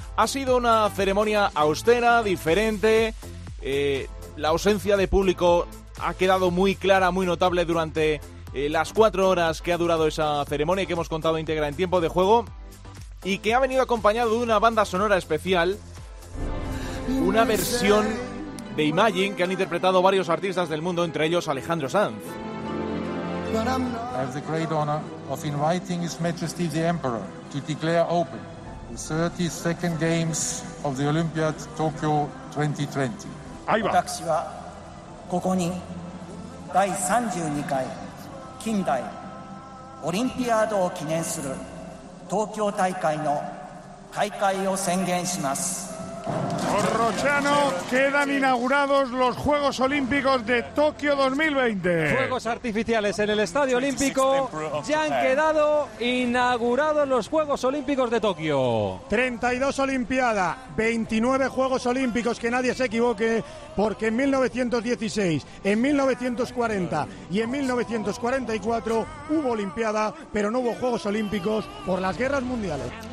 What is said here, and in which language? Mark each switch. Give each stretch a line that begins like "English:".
Spanish: Ha sido una ceremonia austera, diferente, la ausencia de público ha quedado muy clara, muy notable durante las 4 horas que ha durado esa ceremonia que hemos contado íntegra en tiempo de juego y que ha venido acompañado de una banda sonora especial, una versión de Imagine que han interpretado varios artistas del mundo, entre ellos Alejandro Sanz.
English: Have the great honor of inviting His Majesty the Emperor to declare open the 32nd Games of the Olympiad Tokyo 2020.
Spanish: Ahí va.
Japanese: ここに第32回近代オリンピアードを記念する東京大会の開会を宣言します。オロチャノ、
Spanish: quedan inaugurados los Juegos Olímpicos de Tokio 2020. Juegos artificiales en el Estadio Olímpico. Ya han quedado inaugurados los Juegos Olímpicos de Tokio. 32 Olimpiadas, 29 Juegos Olímpicos, que nadie se equivoque, porque en 1916, en 1940 y en 1944 hubo Olimpiada, pero no hubo Juegos Olímpicos por las guerras mundiales.